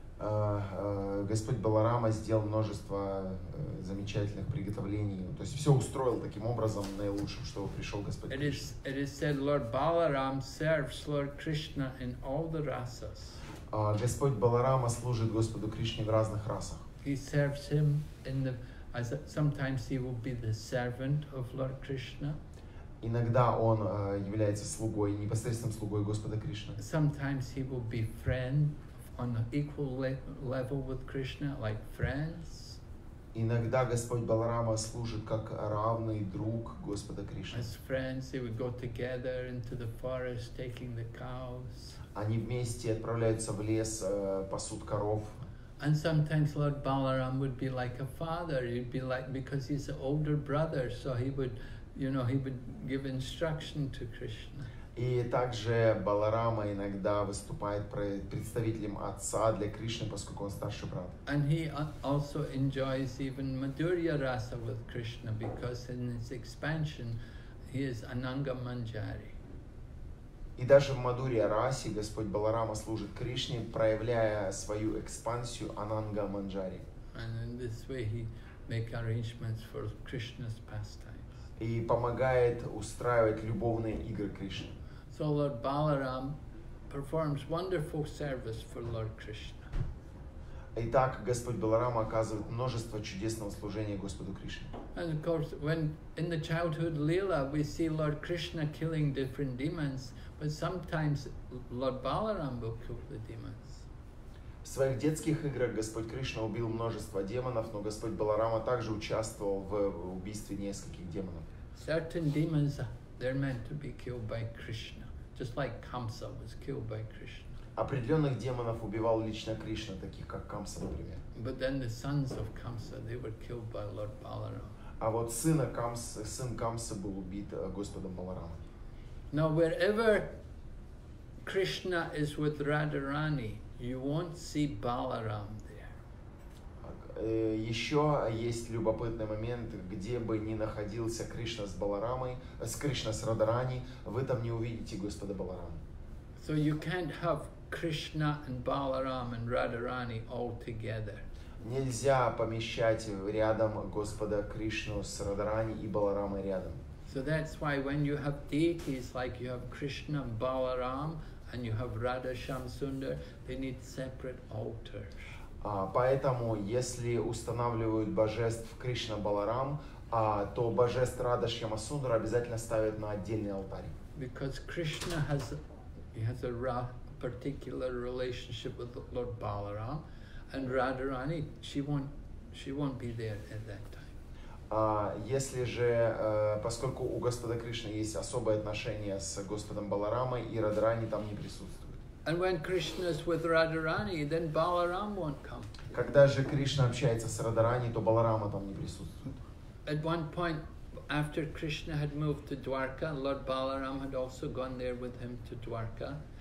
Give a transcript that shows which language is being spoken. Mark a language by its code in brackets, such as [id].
[ru] Господь Баларама сделал множество замечательных приготовлений, то есть все устроил таким образом наилучшим, чтобы пришел Господь Кришна. [en] It is said Lord Balaram serves Lord Krishna in all the rasas. [ru] Господь Баларама служит Господу Кришне в разных расах. [en] He serves him in the as sometimes he will be the servant of Lord Krishna. [ru] Иногда он является слугой, непосредственным слугой Господа Кришны. [en] Sometimes he will be friend on an equal level with Krishna, like friends. [ru] Иногда Господь Баларама служит как равный друг Господа Кришны. [en] As friends, they would go together into the forest, taking the cows. [ru] Они вместе отправляются в лес, пасут коров. [en] And sometimes Lord Balaram would be like a father. He'd be like, because he's an older brother, so he would, you know, he would give instruction to Krishna. [ru] И также Баларама иногда выступает представителем отца для Кришны, поскольку он старший брат. [en] And he also enjoys even Madhurya Rasa with Krishna, because in his expansion he is Ananga Manjari. [ru] И даже в Мадурья Расе Господь Баларама служит Кришне, проявляя свою экспансию Ананга Манджари. [en] And in this way he makes arrangements for Krishna's pastime. [ru] И помогает устраивать любовные игры Кришны. [en] So Lord Balaram performs wonderful service for Lord Krishna. [ru] Итак, Господь Баларама оказывает множество чудесного служения Господу Кришне. [en] And of course, when in the childhood Leela we see Lord Krishna killing different demons, but sometimes Lord Balaram will kill the demons. [ru] В своих детских играх Господь Кришна убил множество демонов, но Господь Баларама также участвовал в убийстве нескольких демонов. [en] Certain demons, they're meant to be killed by Krishna, just like Kamsa was killed by Krishna. [ru] Определенных демонов убивал лично Кришна, таких как Камса, например. [en] But then the sons of Kamsa, they were killed by Lord Balaram. [ru] А вот сын Камсы был убит Господом Баларамой. [en] Now wherever Krishna is with Radharani, you won't see Balaram there. [ru] Еще есть любопытный момент, где бы ни находился Кришна с Баларамой, с Кришна с Радарани, вы там не увидите Господа Баларама. [en] So you can't have Krishna and Balaram and Radharani all together. [ru] Нельзя помещать рядом Господа Кришну с Радхарани и Баларамой рядом. [en] So that's why when you have deities like you have Krishna, Balaram, and you have Radha Shamsundar, they need separate altars. [ru] Поэтому, если устанавливают божеств Кришна Баларам, то божеств Радха Шьямасундара обязательно ставят на отдельный алтарь. [en] Because Krishna has, he has a particular relationship with Lord Balaram. And Radharani, she won't be there at that time. [ru] Если же, поскольку у Господа Кришны есть особое отношение с Господом Баларамой, и Радхарани там не присутствует. [en] And when Krishna is with Radharani, then Balaram won't come. [ru] Когда же Кришна общается с Радхарани, то Баларама там не присутствует. [en] At one point, after Krishna had moved to Dwarka, Lord Balaram had also gone there with him to Dwarka.